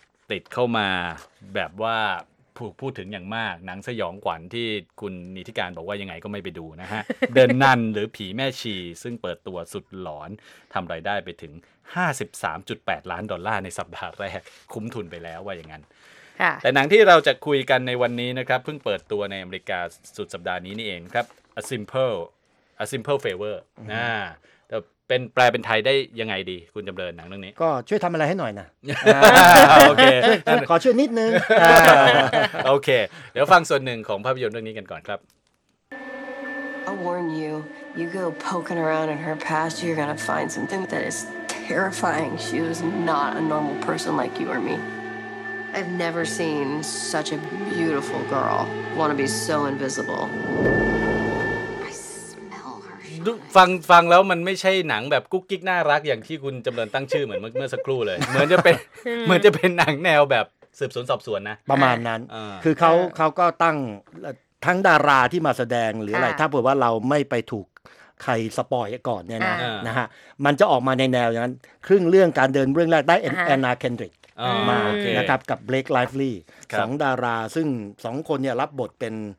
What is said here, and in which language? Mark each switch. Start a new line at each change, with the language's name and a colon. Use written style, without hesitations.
Thai: ติดเข้ามาแบบว่าถูกพูดถึงอย่างมากหนังสยองขวัญที่คุณนิธิการบอกว่ายังไงก็ไม่ไปดูนะฮะ The Nun หรือผีแม่ชีซึ่งเปิดตัวสุดหลอนทำรายได้ไปถึง 53.8 ล้านดอลลาร์ในสัปดาห์แรกคุ้มทุนไปแล้วว่าอย่างนั้นแต่หนังที่เราจะคุยกันในวันนี้นะครับเพิ่งเปิดตัวในอเมริกาสุดสัปดาห์นี้นี่เองครับ A Simple Favor นะแต่เป็นแปลเป็นไทยได้ยังไงดีคุณจำเริญหนังเรื่องนี้ก็ช่วยทำอะไรให้หน่อยนะ โอเค ขอช่วยนิดนึง โอเคเดี๋ยวฟังส่วนหนึ่งของภาพยนตร์เรื่องนี้กันก่อนครับ
English: I warn you you go poking around in her past you're gonna find something that is terrifying she was not a normal person like you or meI've never seen such a beautiful girl. Want to be so invisible. I smell her.
Thai: ฟังแล้วมันไม่ใช่หนังแบบกุ๊กกิ๊กน่ารักอย่างที่คุณจำเริญตั้งชื่อเหมือนเมื่อสักครู่เลยเหมือนจะเป็นหนังแนวแบบสืบสวนสอบสวนนะ ประมาณนั้นคือเขาก็ตั้งทั้งดาราที่มาแสดงหรืออะไรถ้าเผื่อว่าเราไม่ไปถูกใครสปอยก่อนเนี่ยนะนะฮะมันจะออกมาในแนวอย่างนั้นครึ่งเรื่องการเดินเรื่องแรกได้แอนนาเคนดริกมานะครับกับเบลคไลฟ์ลีย์2ดาราซึ่ง2คนเนี่ยรับบทเป็น